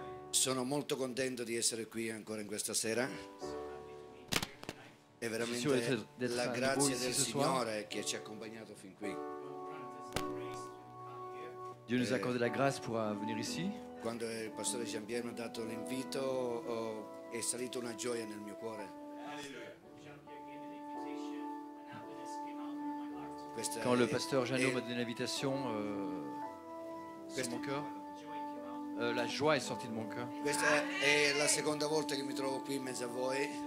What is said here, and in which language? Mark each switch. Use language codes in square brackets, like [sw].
[it] Sono molto contento di essere qui ancora in questa sera. È veramente la grazia del Signore che ci ha accompagnato fin qui. [fr] Dio nous accorde la grâce pour venir ici. [it] Quando il pastore Jean Pierre mi ha dato l'invito, è salita una gioia nel mio cuore. [fr] Quand le pasteur Jeannot m'a donné l'invitation, c'est mon cœur. La joie est sortie de mon cœur. [it] Questa è la seconda volta che mi trovo qui in mezzo a voi.